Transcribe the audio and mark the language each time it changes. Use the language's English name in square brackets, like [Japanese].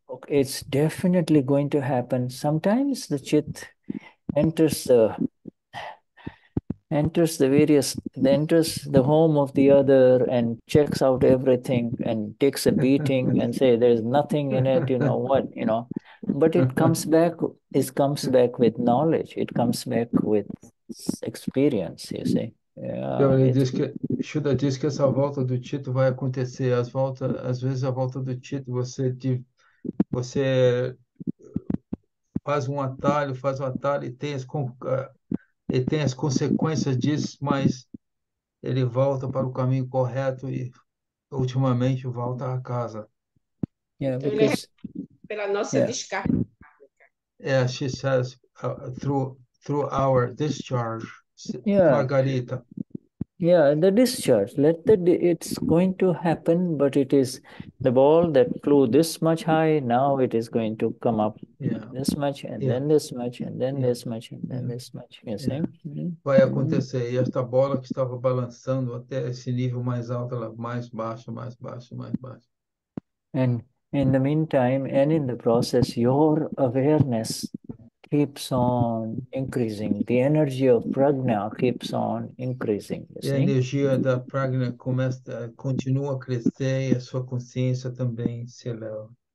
[English] It's definitely going to happen. Sometimes the chit enters the home of the other and checks out everything and takes a beating and say there's nothing in it, you know what, you know. But it comes back with knowledge, it comes back with experience, you see. [Portuguese] Então, ele diz que, Shuddha diz que essa volta do Tito vai acontecer. Às vezes, a volta do Tito, você faz um atalho e tem as consequências disso, mas ele volta para o caminho correto e, ultimamente, volta à casa. Pela nossa descarga. [English] She says, through our discharge, Margarita. The discharge. It's going to happen, but it is the ball that flew this much high. Now it is going to come up this much, and then this much, and then this much, and then this much. You see? [Portuguese] Vai acontecer. E esta bola que estava balançando até esse nível mais alto, ela mais baixo, mais baixo, mais baixo. [English] And in the meantime, and in the process, your awareness keeps on increasing. The energy of prajna keeps on increasing. [Portuguese] E a energia da prajna continua a crescer e a sua consciência também se eleva.